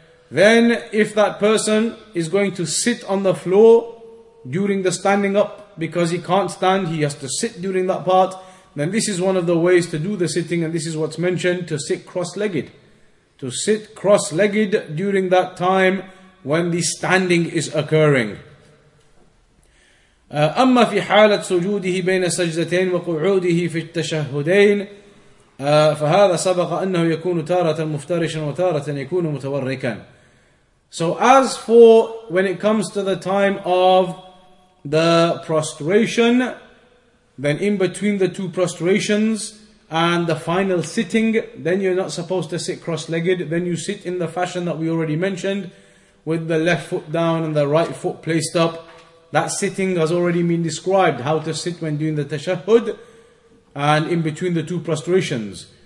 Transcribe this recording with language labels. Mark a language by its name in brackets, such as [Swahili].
[English] then if that person is going to sit on the floor during the standing up, because he can't stand, he has to sit during that part, then this is one of the ways to do the sitting, and this is what's mentioned, to sit cross-legged. To sit cross-legged during that time when the standing is occurring. [Arabic] أما في حالة سجوده بين السجدتين وقعوده في التشهدين فهذا سبق أنه يكون تارة مفترشا وتارة يكون متوركا. [English] So as for when it comes to the time of the prostration, then in between the two prostrations and the final sitting, then you're not supposed to sit cross-legged. Then you sit in the fashion that we already mentioned, with the left foot down and the right foot placed up. That sitting has already been described, how to sit when doing the tashahhud and in between the two prostrations.